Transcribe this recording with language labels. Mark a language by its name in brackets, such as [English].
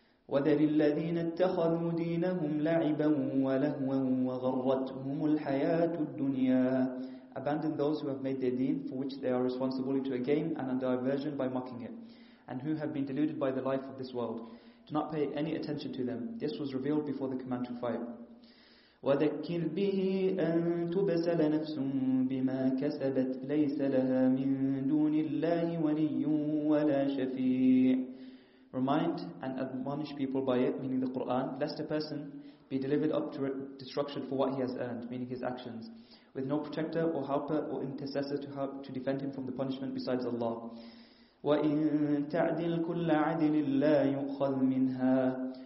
[Arabic] وَذَرِ الَّذِينَ اتَّخَذُوا دِينَهُمْ لَعِبًا وَلَهْوًا وَغَرَّتْهُمُ الْحَيَاةُ الدُّنْيَا. [English] Abandon those who have made their deen, for which they are responsible, to a game and a diversion by mocking it, and who have been deluded by the life of this world. Do not pay any attention to them. This was revealed before the command to fight. [Arabic] وذكر به أن تبسل نفس بما كسبت ليس لها من دون الله ولي ولا شفيع. [English] Remind and admonish people by it, meaning the Quran, lest a person be delivered up to destruction for what he has earned, meaning his actions, with no protector or helper or intercessor to help to defend him from the punishment besides Allah. [Arabic] وَإِن تَعْدِلْ كُلَّ عَدِلٍ لَا يُؤْخَذْ مِنْهَا.